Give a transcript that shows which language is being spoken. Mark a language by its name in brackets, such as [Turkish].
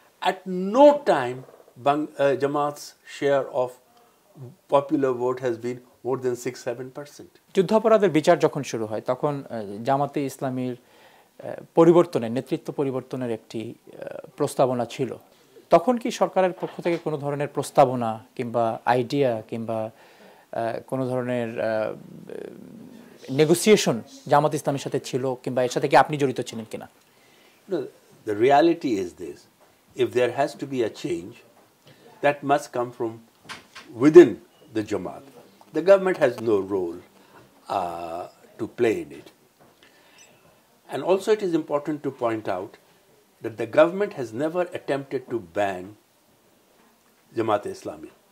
[English] At no time Jamaat's share of popular vote has been more than 6-7%. [Bangla] যুদ্ধাপরাধের বিচার যখন শুরু হয় তখন জামাতে ইসলামীর পরিবর্তনের নেতৃত্ব পরিবর্তনের একটি প্রস্তাবনা ছিল, তখন কি সরকারের পক্ষ থেকে কোনো ধরনের প্রস্তাবনা কিংবা আইডিয়া কিংবা কোনো ধরনের নেগোসিয়েশন জামাত ইসলামের সাথে ছিল কিংবা এর সাথে কি আপনি জড়িত ছিলেন কিনা? [English] The reality is this: if there has to be a change, that must come from within the Jamaat. The government has no role to play in it. And also it is important to point out that the government has never attempted to ban Jamaat-e-Islami.